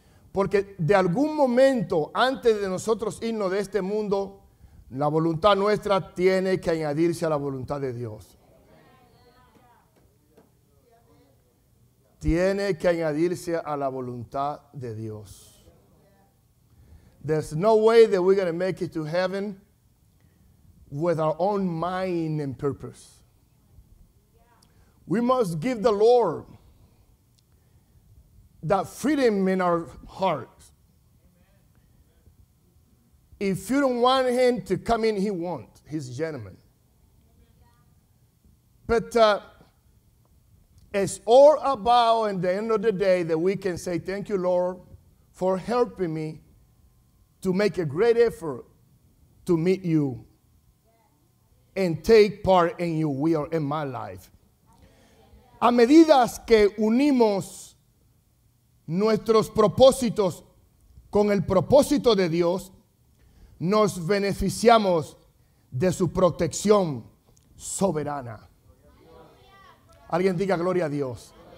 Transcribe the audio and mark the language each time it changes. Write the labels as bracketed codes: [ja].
[es] Porque de algún momento antes de nosotros irnos de este mundo, la voluntad nuestra tiene que añadirse a la voluntad de Dios. Tiene que añadirse a la voluntad de Dios. [en] There's no way that we're going to make it to heaven with our own mind and purpose. We must give the Lord that freedom in our hearts. If you don't want him to come in, he won't. He's a gentleman. But it's all about, in the end of the day, that we can say, thank you, Lord, for helping me to make a great effort to meet you and take part in your will in my life. [es] A medida que unimos nuestros propósitos con el propósito de Dios, nos beneficiamos de su protección soberana. Alguien diga gloria a Dios.